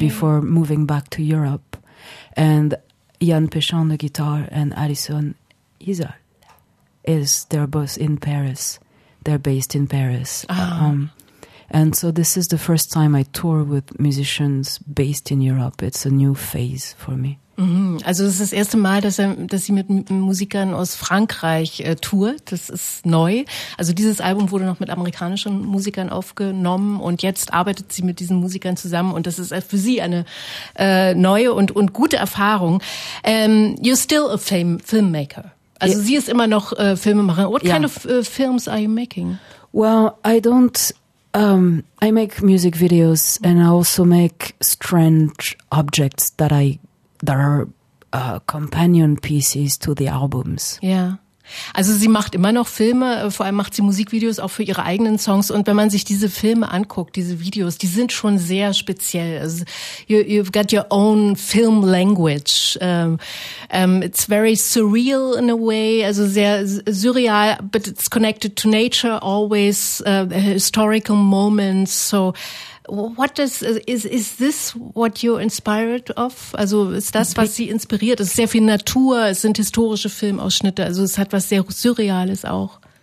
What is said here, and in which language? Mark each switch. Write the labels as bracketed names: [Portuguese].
[English] Before moving back to Europe. And Jan Pichon, the guitar, and Alison Isar is they're both in Paris. They're based in Paris. Oh. And so this is the first time I tour with musicians based in Europe. It's a new phase for me. Mm-hmm. [German] Also es ist das erste Mal, dass sie mit Musikern aus Frankreich tourt. Das ist neu. Also dieses Album wurde noch mit amerikanischen Musikern aufgenommen und jetzt arbeitet sie mit diesen Musikern zusammen und das ist für sie eine neue und gute Erfahrung. [English] You're still a filmmaker. [German] Also sie ist immer noch Filmemacherin. [English] What kind of films are you making? Well, I don't... I make music videos and I also make strange objects that are companion pieces to the albums. Yeah. [German] Also sie macht immer noch Filme, vor allem macht sie Musikvideos auch für ihre eigenen Songs. Und wenn man sich diese Filme anguckt, diese Videos, die sind schon sehr speziell. [English] Also, you've got your own film language. It's very surreal in a way, [German] also sehr surreal, [English] but it's connected to nature always, historical moments. So what is this what you're inspired of? [German] Also ist das, was sie inspiriert? Es ist sehr viel Natur, es sind historische Filmausschnitte, also es hat was sehr Surreales auch.